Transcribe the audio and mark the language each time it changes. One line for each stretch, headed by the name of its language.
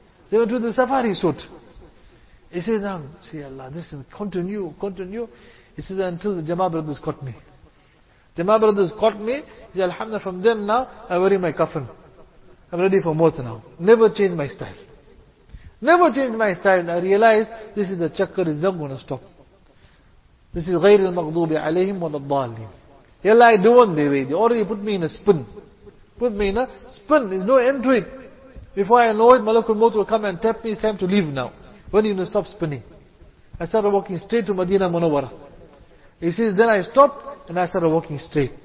English: They went to the safari suit. He says, now, see Allah, this is continue. He says, until the Jama'ah brothers caught me. Jama'ah brothers caught me. He says, Alhamdulillah, from then now, I'm wearing my kafan. I'm ready for mawt now. Never change my style. Never change my style. I realize this is the chakkar, it's not going to stop. This is
Arabic: غير المغضوب عليهم ولا الضالين.
English: Ya Allah, I don't want their way. They already put me in a spin. Put me in a spin. There's no end to it. Before I know it, Malakul Mawt will come and tap me. It's time to leave now. When are you going to stop spinning? I started walking straight to Madinah Munawwara. He says, then I stopped and I started walking straight.